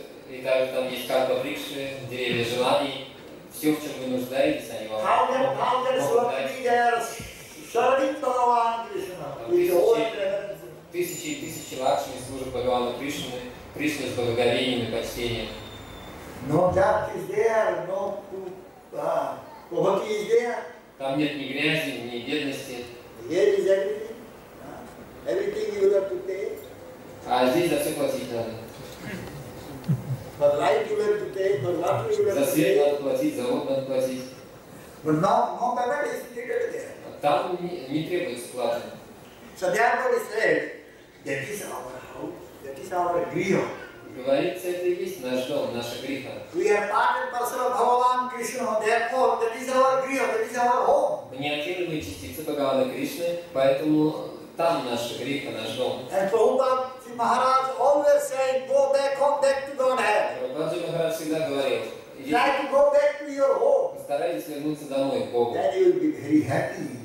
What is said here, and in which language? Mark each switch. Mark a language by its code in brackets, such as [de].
[ru] И также там есть карпа Брюкши, деревья желаний. Все, в чем вы нуждаетесь, они вам могут дать. [en] How can Суравхи be there? Суравиктанаван Кришна. [ru] Тысячи и тысячи лакшми служат Бхагавану Кришне. Кришна с благоговением и почтением. [en] No dirt is there, no poverty is there. [ru] Там нет ни грязи, ни бедности. [en] Here is everything. Everything you have to take. [ru] А здесь за все платить надо. [en] For light you have to take, for water you have to take. [ru] За свет надо платить, за воду надо платить. [en] But no payment is needed there. [ru] А там не требуется платы. [en] So therefore it says, that is our house. [ru] Говорится, это и есть наш дом, наша гриха. [en] We are part and parcel of Bhagavan Krishna, therefore that is our griha, that is our home. [ru] Мы неотъемлемые частицы Бхагавана Кришны, поэтому там наша гриха, наш дом. [en] And Prabhupada Maharaj always said, go back home, back to Godhead. [ru] Прабхупада Махарадж всегда говорил, [en] try to go back to your home. [ru] Старайтесь вернуться домой, к Богу. [en] Then you will be very happy.